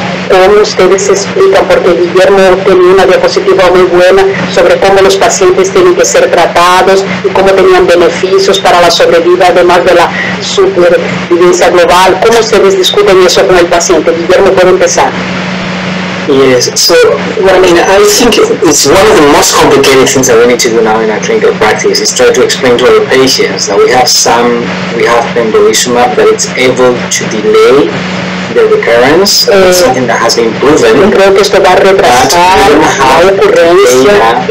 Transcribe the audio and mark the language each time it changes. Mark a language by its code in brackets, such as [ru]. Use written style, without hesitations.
[es] ¿Cómo ustedes explican? Porque Guillermo tenía una diapositiva muy buena sobre cómo los pacientes tienen que ser tratados y cómo tenían beneficios para la sobrevida, además de la supervivencia global. ¿Cómo ustedes discuten eso con el paciente? Guillermo puede empezar. [en] Yes. So, well, I mean, I think it's one of the most complicated things that we need to do now in our clinical practice is try to explain to our patients that we have pembrolizumab that it's able to delay the recurrence. Something that has been proven. [es] Yo creo que esto va a retrasar la ocurrencia.